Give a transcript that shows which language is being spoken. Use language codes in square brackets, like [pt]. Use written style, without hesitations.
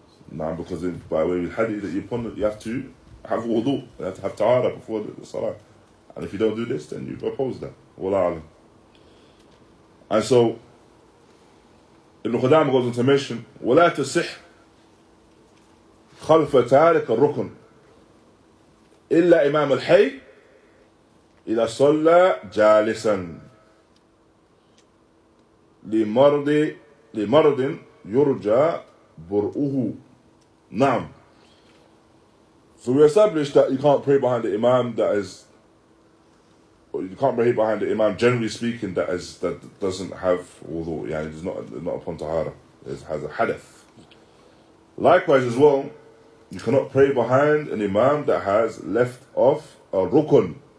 [en] Nah, because by way of Hadith that you have to have wudu, you have to have ta'ara before the salah. And if you don't do this, then you oppose that. [ar] Wallah alam. [en] And so Ibn Qudamah goes on to mention, [ar] وَلَا تَصِحْ خَلْفَ تَارِكَ الرُّكُنْ إلا إمام الحي إذا صلى جالسا لمرض يرجى برؤه. نعم. [en] So we established that you can't pray behind the imam that is, or you can't pray behind the imam generally speaking that is, that doesn't have wudu, yeah, it's not upon tahara, it has a hadith. Likewise as well, you cannot pray behind an imam that has left off a rukun.